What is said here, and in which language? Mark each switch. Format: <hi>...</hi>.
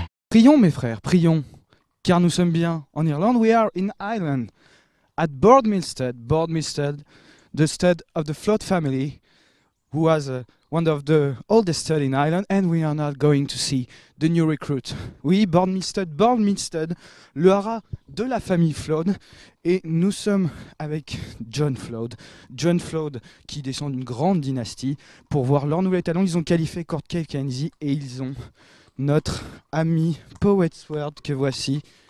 <fr>Prions, mes frères, prions, car nous sommes bien en Irlande.</fr> <en>We are in Ireland, at Boardsmill Stud, the stud of the Flood family, who has one of the oldest stud in Ireland, and we are not going to see the new recruit.</en> <fr>Oui, Boardsmill Stud, le haras de la famille Flood, et nous sommes avec John Flood. John Flood, qui descend d'une grande dynastie, pour voir leur nouvel étalon. Ils ont Califet, Kalanisi, et ils ont notre ami Poet's World, que voici.</fr>